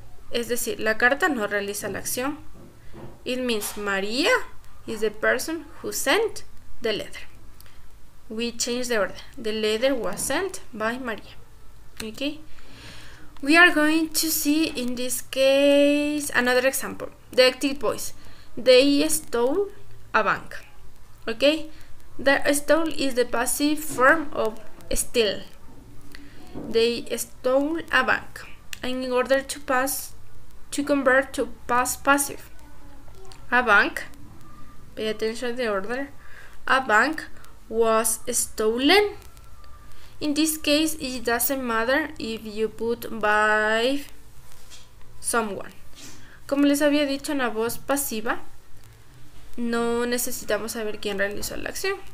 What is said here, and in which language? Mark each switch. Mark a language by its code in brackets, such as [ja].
[es] Es decir, la carta no realiza la acción. [en] It means Maria is the person who sent the letter. We change the order. The letter was sent by Maria. Okay? We are going to see in this case another example. The active voice. They stole a bank. Okay? The stole is the passive form of steal. They stole a bank. And in order to pass, to convert to past passive, a bank, pay attention to the order, a bank was stolen. In this case, it doesn't matter if you put by someone. [es] Como les había dicho, en la voz pasiva no necesitamos saber quién realizó la acción.